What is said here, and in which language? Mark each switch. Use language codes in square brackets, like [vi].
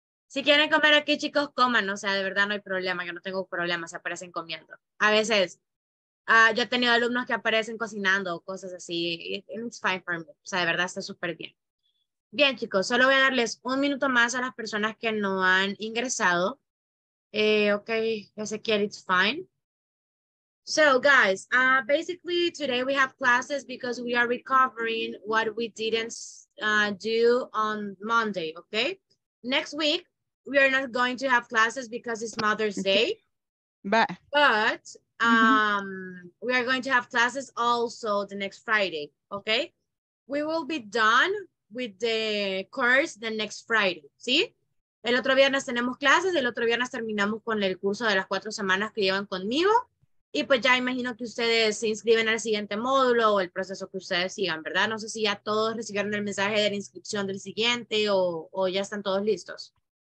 [es] Si quieren comer aquí, chicos, coman. O sea, de verdad no hay problema, yo no tengo problema, se aparecen comiendo. A veces, yo he tenido alumnos que aparecen cocinando o cosas así. [en] It's fine for me. [es] O sea, de verdad está súper bien. Bien, chicos, solo voy a darles un minuto más a las personas que no han ingresado. [en] Ok, Ezequiel, it's fine. So, guys, basically today we have classes because we are recovering what we didn't do on Monday, okay? Next week, we are not going to have classes because it's Mother's Day. Bye. But we are going to have classes also the next Friday, okay? We will be done with the course the next Friday, see? [es] El otro viernes tenemos clases, el otro viernes terminamos con el curso de las 4 semanas que llevan conmigo, y pues ya imagino que ustedes se inscriben al siguiente módulo o el proceso que ustedes sigan, ¿verdad? No sé si ya todos recibieron el mensaje de la inscripción del siguiente o ya están todos listos.